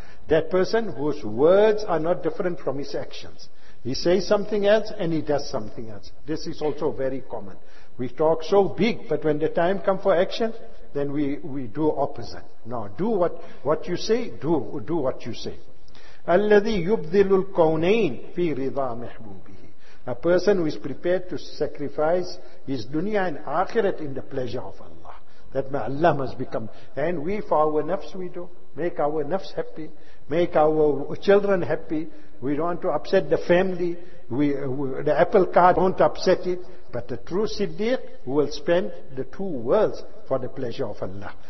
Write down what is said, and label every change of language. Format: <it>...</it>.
<en>That person whose words are not different from his actions. He says something else and he does something else. This is also very common. We talk so big, but when the time comes for action, then we do opposite. No, do what you say, do what you say.</en> <ar>الذي يبذل الكونين في رضا محبوبه.</ar> <en>A person who is prepared to sacrifice his dunya and akhirat in the pleasure of Allah. That my Allah must become. And we, for our nafs, we do. Make our nafs happy. Make our children happy. We don't want to upset the family. The apple cart, don't upset it. But the true siddiq will spend the two worlds for the pleasure of Allah.</en>